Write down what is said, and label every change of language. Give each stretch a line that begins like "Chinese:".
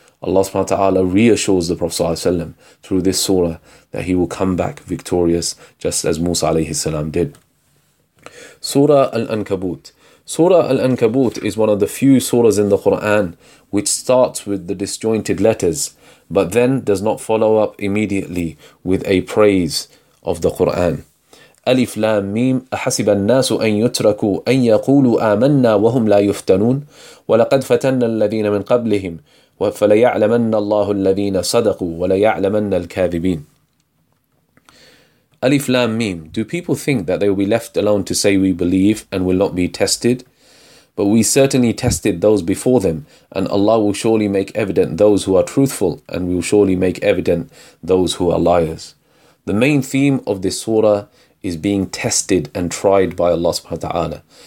English: Allah subhanahu wa ta'ala reassures the Prophet sallallahu alayhi wa sallam through this surah that he will come back victorious just as Musa alayhi salam did. Surah Al-Ankabut. Surah Al-Ankabut is one of the few surahs in the Quran which starts with the disjointed letters but then does not follow up immediately with a praise of the Quran.
Arabic: Alif Lam Mim أحسب الناس أن يتركوا أن يقولوا آمنا وهم لا يفتنون ولقد فتنا الذين من قبلهم فَلَيَعْلَمَنَّ اللَّهُ الَّذِينَ صَدَقُوا وَلَيَعْلَمَنَّ الْكَاذِبِينَ Alif Lam Mim.
English: Do people think that they will be left alone to say we believe and will not be tested? But we certainly tested those before them, and Allah will surely make evident those who are truthful, and will surely make evident those who are liars. The main theme of this surah is being tested and tried by Allah subhanahu wa ta'ala.